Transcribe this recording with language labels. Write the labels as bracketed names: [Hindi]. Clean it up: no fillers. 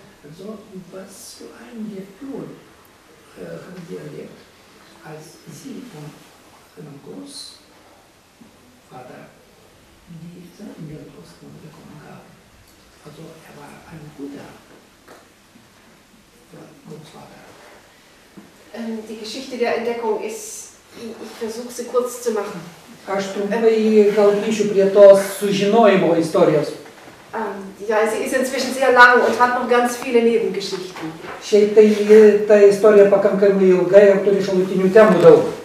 [German] Also, was für ein Gefühl haben Sie erlebt, als Sie und Ihrem Großvater die Sachen in Ihrem Großvater bekommen haben? Also er war ein guter Großvater. Die Geschichte der Entdeckung ist, ich versuche sie kurz zu machen. [Lithuanian] Aš trumpai gal grįšiu prie tos sužinojimo istorijos. [German] Ja, sie ist inzwischen sehr lang und hat noch ganz viele Nebengeschichten. [Lithuanian] Šiaip ta istorija pakankamai ilga ir turi šalutinių temų daug.